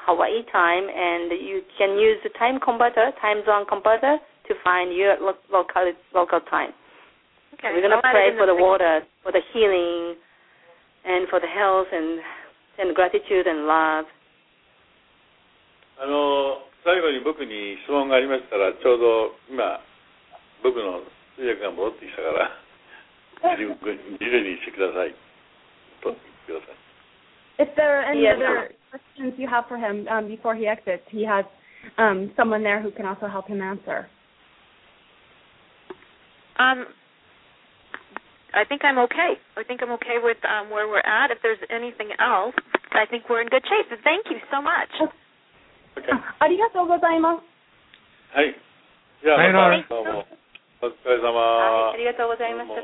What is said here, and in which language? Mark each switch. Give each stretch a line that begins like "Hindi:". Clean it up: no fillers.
English: Hawaii time, and you can use the time converter, time zone converter, to find your local time. Okay. We're going to pray for the water, for the healing, and for the health, and gratitude and love.
Japanese: 最後に僕に質問がありましたら、ちょうど今、僕の通訳が戻ってきたから、自由にしてください。と、ください。
English: If there are any other questions you have for him before he exits, he has someone there who can also help him answer. I think I'm okay with where we're at. If there's anything else, I think we're in good shape. Thank you so much. Okay.
Japanese: ありがとうございます。はい。じゃあ、どうも。お疲れ様。ありがとうございました。